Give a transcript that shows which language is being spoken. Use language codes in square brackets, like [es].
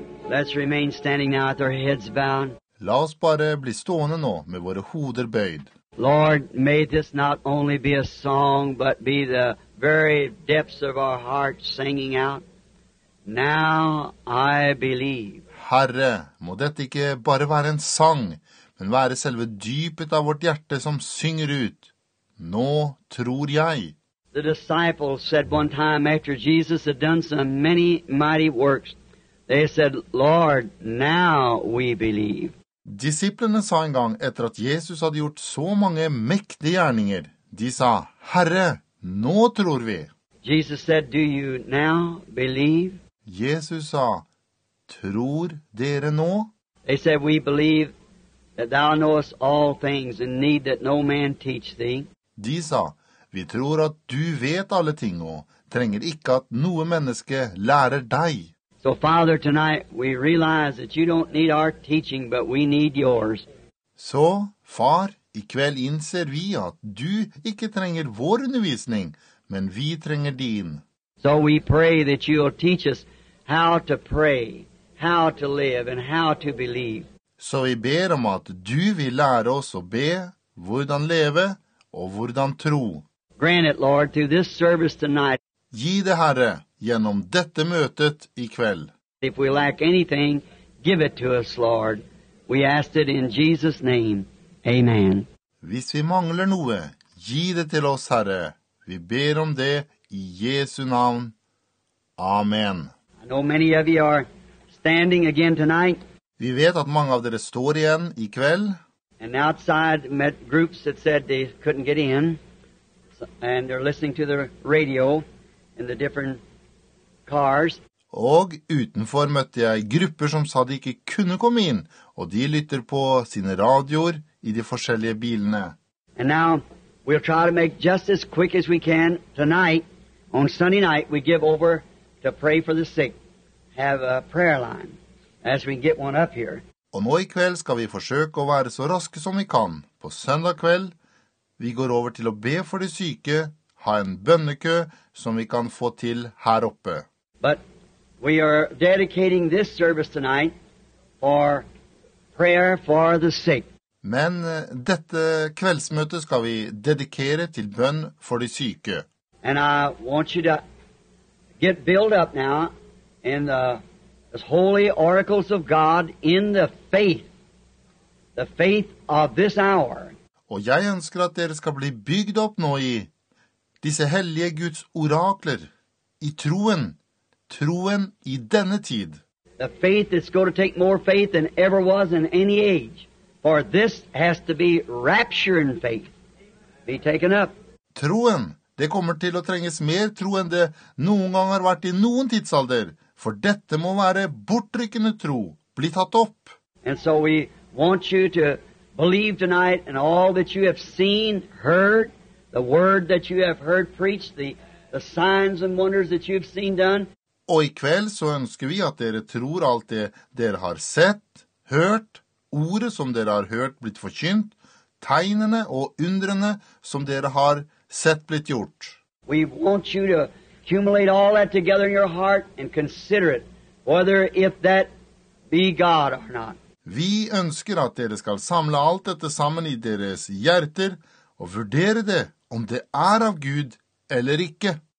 [en] Let's remain standing now with our heads bowed. [no] La oss bare bli stående nå med våre hoder bøyd. [en] Lord, may this not only be a song, but be the very depths of our hearts singing out. Now I believe. [no] Herre, må dette ikke bare være en sang, men være selve dypet av vårt hjerte som synger ut. Nå tror jeg. [en] The disciples said one time after Jesus had done so many mighty works, they said, Lord, now we believe. [no] Disiplene sa en gang etter at Jesus hadde gjort så mange mektige gjerninger, de sa, Herre, nå tror vi. [en] Jesus said, do you now believe? [no] Jesus sa, tror dere nå? [en] They said, we believe that thou knowest all things and need that no man teach thee. [no] De sa, vi tror at du vet alle ting og trenger ikke at noe menneske lærer deg. [en] So, Father, tonight we realize that you don't need our teaching, but we need yours. [no] Så, far, i kveld innser vi at du ikke trenger vår undervisning, men vi trenger din. [en] So we pray that you'll teach us how to pray, how to live, and how to believe. [no] Så vi ber om at du vil lære oss å be, hvordan leve, og hvordan tro. [en] Grant it, Lord, through this service tonight. [no] Gi det, Herre, gjennom dette møtet i kveld. [en] If we lack anything, give it to us, Lord. We ask it in Jesus' name. Amen. [no] Hvis vi mangler noe, gi det til oss, Herre. Vi ber om det i Jesu navn. Amen. [en] I know many of you are standing again tonight. [no] Vi vet at mange av dere står igjen i kveld. [en] And outside met groups that said they couldn't get in. And they're listening to the radio in the different cars. [no] Og utenfor møtte jeg grupper som sa de ikke kunne komme inn, og de lytter på sine radioer i de forskjellige bilene. [en] And now we'll try to make just as quick as we can tonight. On Sunday night we give over to pray for the sick. Have a prayer line as we get one up here. [no] Og nå i kveld skal vi forsøke å være så raske som vi kan. På søndag kveld, vi går over til å be for de syke, ha en bønnekø som vi kan få til her oppe. [en] But we are dedicating this service tonight for prayer for the sick. [no] Men dette kveldsmøtet skal vi dedikere til bønn for de syke. [en] And I want you to get built up now in the as holy oracles of God in the faith of this hour. [no] Og jeg ønsker at dere skal bli bygd opp nå i disse hellige Guds orakler, i troen, troen i denne tid. [en] The faith that's going to take more faith than ever was in any age, for this has to be rapture in faith, be taken up. [no] Troen, det kommer til å trenges mer tro enn det noen gang har vært i noen tidsalder, for dette må være bortrykkende tro, bli tatt opp. [en] And so we want you to believe tonight and all that you have seen, heard, the word that you have heard preached, the signs and wonders that you have seen done. [no] Og i kveld så ønsker vi at dere tror alt det dere har sett, hørt, ordet som dere har hørt blitt forkynt, tegnene og undrene som dere har sett blitt gjort. [en] We want you to accumulate all that together in your heart and consider it, whether if that be God or not. [no] Vi ønsker at dere skal samle alt dette sammen i deres hjerter og vurdere det, om det av Gud eller ikke.